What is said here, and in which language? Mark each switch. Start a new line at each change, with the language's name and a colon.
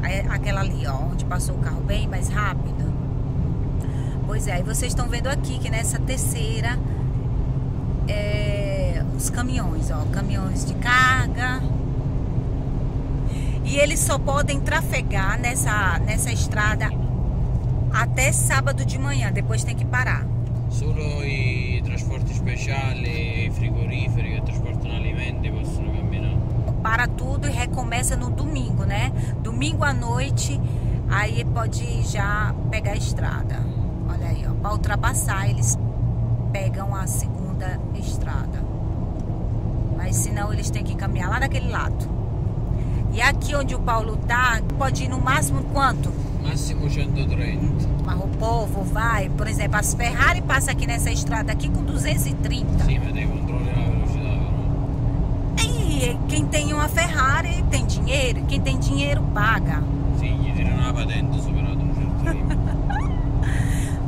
Portuguese: Aquela ali, ó, onde passou o carro bem mais rápido. Pois é, e vocês estão vendo aqui que nessa terceira é os caminhões, ó, caminhões de carga. E eles só podem trafegar nessa estrada até sábado de manhã, depois tem que parar.
Italian: Solo i trasporti speciali, i frigoriferi che trasportano alimenti possono camminare.
Portuguese: Para tudo e recomeça no domingo, né? Domingo à noite, aí pode já pegar a estrada. Olha aí, ó. Para ultrapassar, eles pegam a segunda estrada. Mas senão eles têm que caminhar lá daquele lado. E aqui onde o Paulo tá, pode ir no máximo quanto? Máximo 130. Mas o povo vai, por exemplo, as Ferrari passa aqui nessa estrada aqui com 230. Sim, mas tem controle da velocidade, não? E quem tem uma Ferrari tem dinheiro, quem tem dinheiro paga. Sim,
Italian: gli tirano la patente superato un certo.